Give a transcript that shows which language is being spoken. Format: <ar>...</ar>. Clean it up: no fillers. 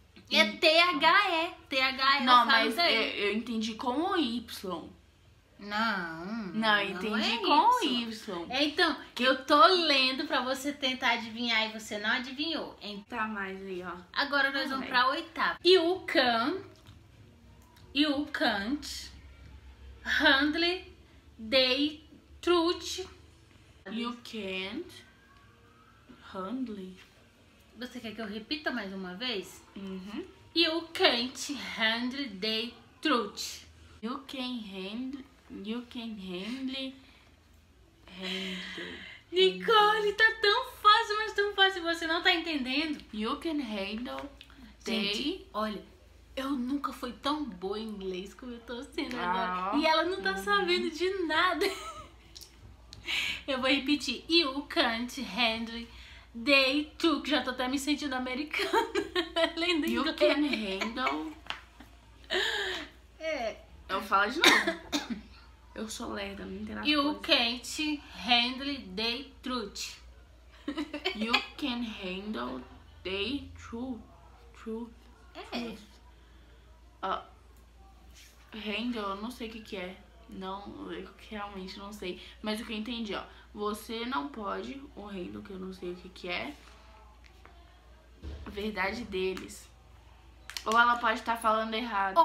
<pt>É T-H-E. T-H-E. Não, mas eu entendi com o Y. Não, eu entendi com o Y. Então, que eu tô lendo pra você tentar adivinhar e você não adivinhou. Tá mais aí, ó. Agora nós vamos pra oitava.</pt> <en>You can. You can't handle the truth. You can't handle.</en> <pt>Você quer que eu repita mais uma vez? Uhum.</pt> <en>You can't handle the truth. You can handle. You can handle. Handle.</en> <pt>Nicole, tá tão fácil, mas tão fácil. Você não tá entendendo?</pt> <en>You can handle.</en> <pt>Gente, olha, eu nunca fui tão boa em inglês como eu tô sendo agora. E ela não tá sabendo de nada. Eu vou repetir. You can't handle the truth. Já tô até me sentindo americana. Lendo</pt> <en>you</en> <pt>inglês.</pt> <en>Can handle.</en> <pt>Eu falo de novo. Eu sou lerda, não entendo.</pt> <en>You can't handle the truth. You can handle the truth. Truth.</en> <pt>Handle, eu não sei o que que é. Não, eu realmente não sei. Mas o que eu entendi, ó. Você não pode, o handle, que eu não sei o que que é. A verdade deles. Ou ela pode estar falando errado.</pt>